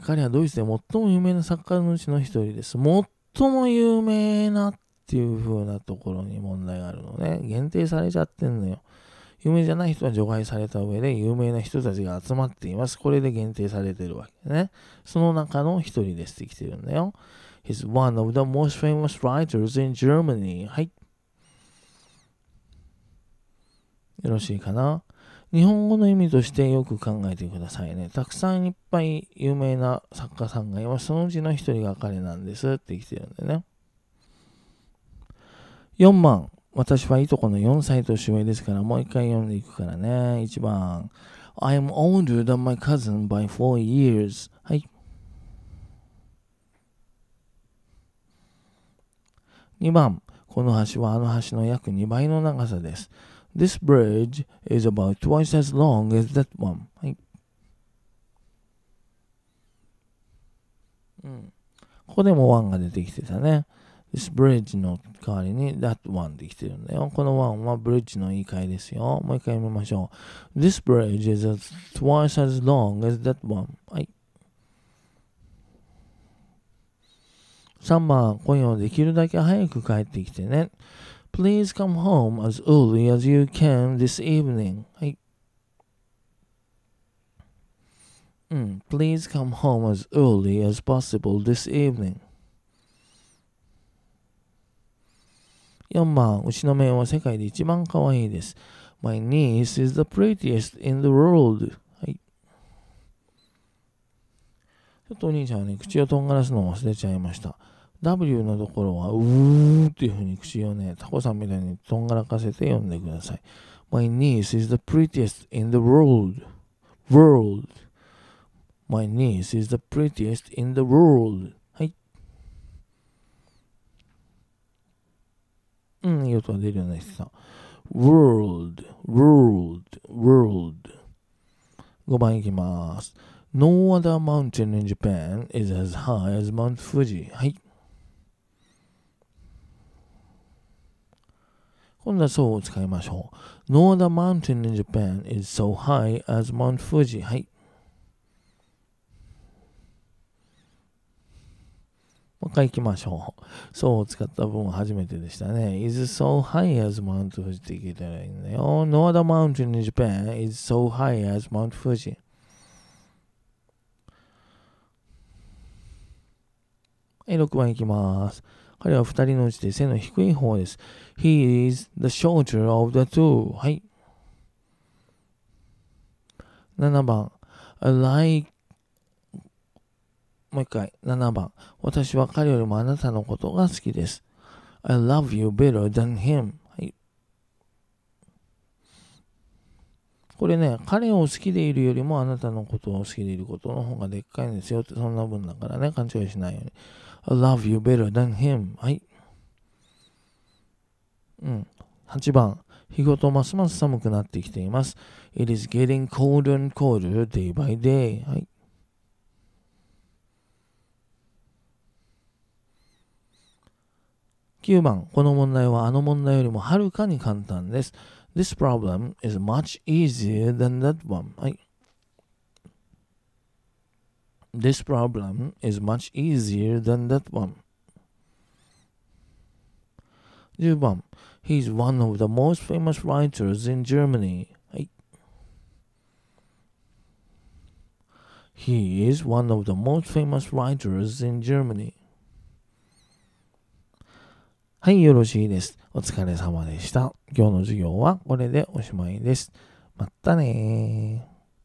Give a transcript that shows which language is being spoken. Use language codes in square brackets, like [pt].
[ja] 彼はドイツで最も有名な作家のうちの一人です。最も有名なっていう風なところに問題があるのね。限定されちゃってんのよ。有名じゃない人は除外された上で、有名な人たちが集まっています。これで限定されてるわけね。その中の一人ですって来てるんだよ。 [en] He's one of the most famous writers in Germany. [ja] はい。よろしいかな。日本語の意味としてよく考えてくださいね。たくさんいっぱい有名な作家さんがいます。そのうちの一人が彼なんですって来てるんでね。 4番。私はいとこの4歳年上ですから、もう一回読んでいくからね。 1番。 [en] I'm older than my cousin by 4 years. [ja] はい。 2番。この橋はあの橋の約2倍の長さです。 [en] This bridge is about twice as long as that one. [ja] はい。うん。ここでも1が出てきてたね。 [en] This bridge [ja] の代わりに [en] that one [ja] できてるんだよ。この1は bridge の言い換えですよ。もう一回読みましょう。 [en] This bridge is twice as long as that one. [ja] はい。 3番。今夜はできるだけ早く帰ってきてね。 [en] Please come home as early as you can this evening. [ja] はい。うん。 [en] Please come home as early as possible this evening. [ja] 4番。うちの面は世界で一番可愛いです。 [en] My niece is the prettiest in the world. [ja] はい。ちょっとお兄ちゃんはね、口をとんがらすのを忘れちゃいました。 W のところはうーっていうふうに口をね、タコさんみたいにとんがらかせて読んでください。 [en] My niece is the prettiest in the world. World. My niece is the prettiest in the world. [ja] はい。うん、いい音が出るようになってた。 [en] World. World. World. [ja] 5番いきます。 [en] No other mountain in Japan is as high as Mount Fuji. [ja] はい。今度はそうを使いましょう。 [en] No other mountain in Japan is so high as Mount Fuji. [ja] はい。もう一回いきましょう。そうを使った文は初めてでしたね。 [en] Is so high as Mount Fuji [ja] って聞いたらいいんだよ。 [en] No other mountain in Japan is so high as Mount Fuji. [ja] はい、6番いきます。彼は二人のうちで背の低い方です。 [en] He is the shorter of the two. [ja] はい。 7番。 [en] I like... [ja] もう一回。7番。私は彼よりもあなたのことが好きです。 [en] I love you better than him. [ja] はい。これね、彼を好きでいるよりもあなたのことを好きでいることの方がでっかいんですよって、そんな文だからね、勘違いしないように。 [en] I love you better than him. [ja] はい。うん。8番。日ごとますます寒くなってきています。 [en] It is getting colder and colder day by day. [ja] はい。 9番。この問題はあの問題よりもはるかに簡単です。 [en] This problem is much easier than that one. [ja] はい。 [en] This problem is much easier than that one. 10番 He's one of the most famous writers in Germany. [ja] はい。 [en] He is one of the most famous writers in Germany. [ja] はい、よろしいです。お疲れ様でした。今日の授業はこれでおしまいです。またねー。